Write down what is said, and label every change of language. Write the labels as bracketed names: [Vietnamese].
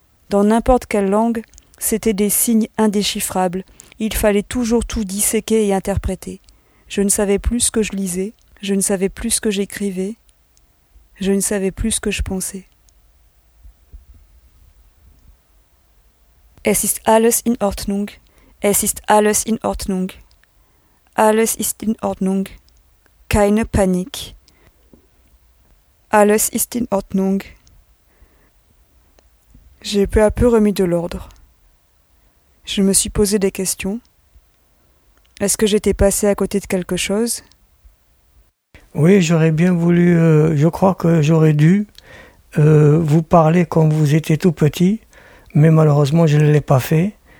[French] Dans n'importe quelle langue, c'était des signes indéchiffrables. Il fallait toujours tout disséquer et interpréter. Je ne savais plus ce que je lisais, je ne savais plus ce que j'écrivais, je ne savais plus ce que je pensais. [German] Es ist alles in Ordnung, es ist alles in Ordnung. Alles ist in Ordnung, keine Panik. Alles ist in Ordnung. [French] J'ai peu à peu remis de l'ordre. Je me suis posé des questions. Est-ce que j'étais passé à côté de quelque chose? Oui, j'aurais bien voulu, je crois que j'aurais dû vous parler quand vous étiez tout petit, mais malheureusement je ne l'ai pas fait.